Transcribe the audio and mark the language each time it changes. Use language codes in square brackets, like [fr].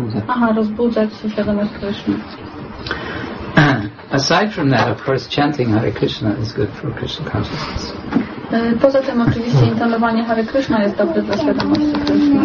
[pl] Aha, rozbudzać świadomość Krishna. [en] Aside from that, of course, chanting Hare Krishna is good for Krishna consciousness. [pl] Poza tym oczywiście intonowanie Hare Krishna jest dobre dla świadomości Krishna.